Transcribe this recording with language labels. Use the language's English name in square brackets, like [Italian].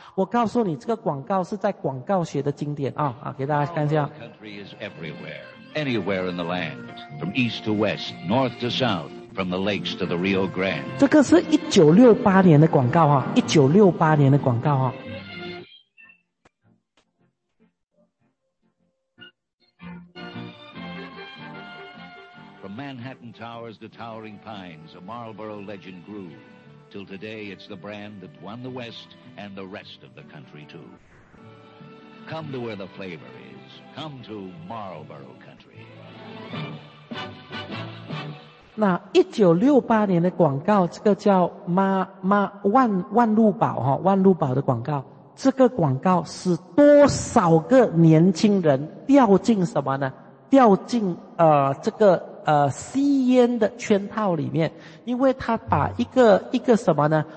[Chinese] 我告诉你，这个广告是在广告学的经典啊、哦、啊！给大家看一下。 [English] Our country is everywhere, anywhere in the land, from east to west, north to south, from the lakes to the Rio Grande。 [Chinese] 这个是1968年的广告啊、哦！1968年的广告啊、哦！ [English] Manhattan towers to towering pines, a Marlboro legend grew. Till today, it's the brand that won the West and the rest of the country too. Come to where the flavor is. Come to Marlboro Country. [Chinese] 那1968年的广告，这个叫万路宝哈，万路宝的广告。这个广告使多少个年轻人掉进什么呢？掉进这个。吸烟的圈套里面，因为他把一个什么呢？